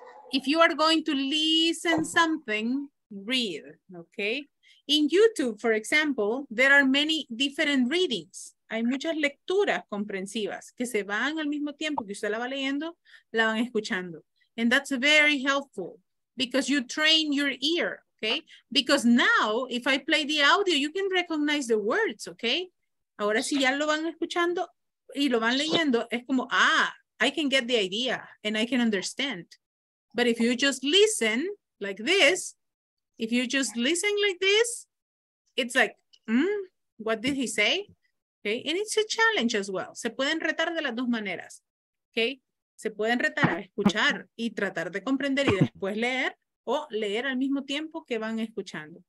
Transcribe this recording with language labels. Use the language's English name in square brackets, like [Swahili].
[English] If you are going to listen something, read, okay? In YouTube, for example, there are many different readings. [Spanish] Hay muchas lecturas comprensivas que se van al mismo tiempo que usted la va leyendo, la van escuchando. [English] And that's very helpful because you train your ear, okay? Because now, if I play the audio, you can recognize the words, okay? [Spanish] Ahora si ya lo van escuchando y lo van leyendo, es como, ah, [English] I can get the idea and I can understand. But if you just listen like this, if you just listen like this, it's like, what did he say? Okay, and it's a challenge as well. [Spanish] Se pueden retar de las dos maneras, okay? Se pueden retar a escuchar y tratar de comprender y después leer, o leer al mismo tiempo que van escuchando.